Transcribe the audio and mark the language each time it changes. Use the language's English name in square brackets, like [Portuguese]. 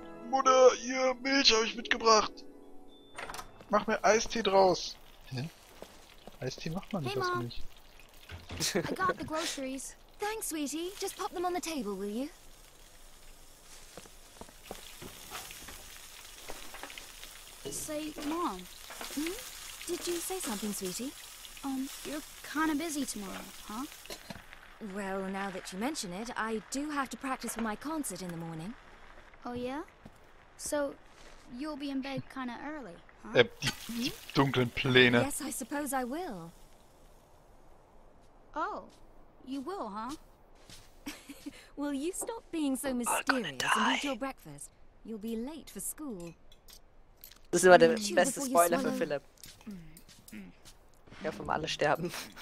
[German] Mutter, hier, Milch habe ich mitgebracht. Mach mir Eistee draus. Hä? Eistee macht man nicht aus Milch. [English] I got the groceries. Thanks, sweetie. Just pop them on the table, will you? Say, Mom. Did you say something, sweetie? You're kind of busy tomorrow, huh? Well, now that you mention it, I do have to practice for my concert in the morning. Oh, yeah? So, you'll be in bed kinda early, huh? [German] Die dunklen Pläne. [English] Yes, I suppose I will. Oh, you will, huh? Will you stop being so mysterious and eat your breakfast? You'll be late for school. [German] Das ist immer der beste Spoiler für Philipp. Ich hoffe, wir alle sterben.